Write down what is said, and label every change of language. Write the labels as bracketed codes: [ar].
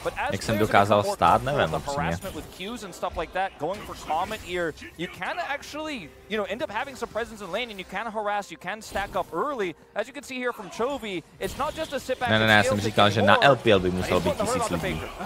[cs] Jak jsem dokázal stát, nevím, upřímně. [en] With Qs and stuff like that, going for Comet here, you can actually, you know, end up having some presence in lane and you can harass, you can stack up early. As you can see here from Chovy, it's not just a sit back. [cs] Ne, jsem říkal, že na LPL by muselo být 1000 lidí.